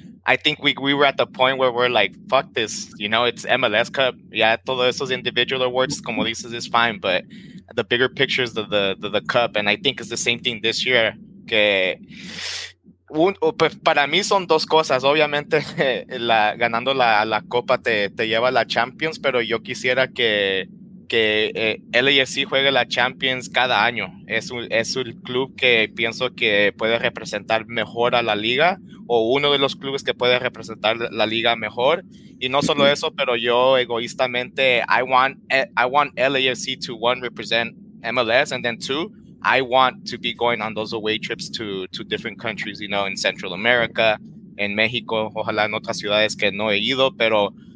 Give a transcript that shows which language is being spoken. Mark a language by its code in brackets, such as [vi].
[en] I think we were at the point where we're like, fuck this, you know, it's MLS Cup. Yeah, [es] todos esos [en] individual awards, [es] como dices, [en] is fine, but the bigger picture is the cup, and I think it's the same thing this year. [es] Que para mí son dos cosas. Obviamente, ganando la copa te lleva a la Champions, pero yo quisiera que LAFC juegue la Champions cada año. Es un club que pienso que puede representar mejor a la liga, o uno de los clubes que puede representar la liga mejor. Y no solo eso, pero yo egoístamente, [en] I want LAFC to one, represent MLS, and then two, I want to be going on those away trips to different countries, you know, in Central America, in Mexico, [es] ojalá en otras ciudades que no he ido, pero